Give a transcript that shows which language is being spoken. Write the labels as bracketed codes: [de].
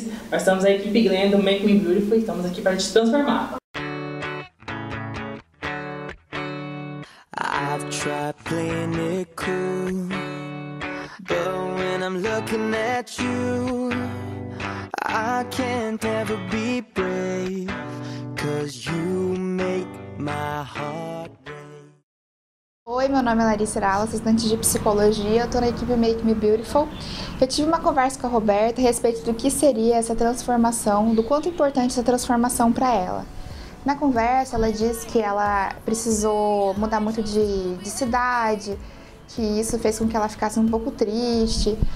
[pt] Nós estamos a equipe Glenn do Make Me Beautiful e estamos aqui para te transformar. [en] I've tried playing it cool, but when I'm looking at you, I can't ever be brave, 'cause you make my heart break. [pt] Oi, meu nome é Larissa Rala, estudante de psicologia, eu tô na equipe Make Me Beautiful. Eu tive uma conversa com a Roberta a respeito do que seria essa transformação, do quanto importante essa transformação para ela. Na conversa, ela disse que ela precisou mudar muito de cidade, que isso fez com que ela ficasse um pouco triste.